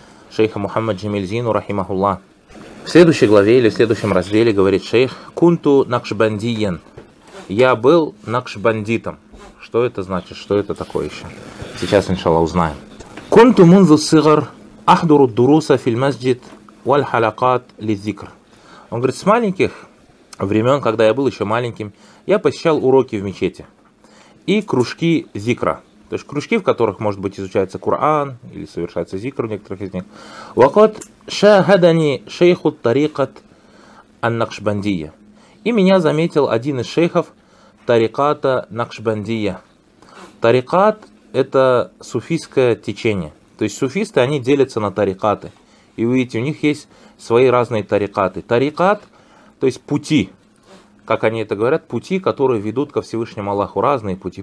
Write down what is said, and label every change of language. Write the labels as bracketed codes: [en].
[ru] شيخ محمد جميل زين رحمه الله в следующей главе или в следующем разделе говорит шейх [ar] كنت نقشبنديا [ru] я был نقشبنديتом что это значит что это такое еще сейчас иншалла узнаем [ar] كنت منذ الصغر أحضر الدروس في المسجد والحلقات للذكر. [ru] Он говорит, с маленьких времен, когда я был еще маленьким, я посещал уроки в мечети и кружки зикра. То есть кружки, в которых, может быть, изучается Коран или совершается зикр в некоторых из них. [ar] وقد شاهدني شيخ الطريقة النقشبندية. [ru] И меня заметил один из шейхов тариката Накшбандия. Тарикат – это суфийское течение. То есть суфисты, они делятся на тарикаты. И вы видите, у них есть свои разные тарикаты. Тарикат, то есть пути, как они это говорят, пути, которые ведут ко Всевышнему Аллаху. Разные пути.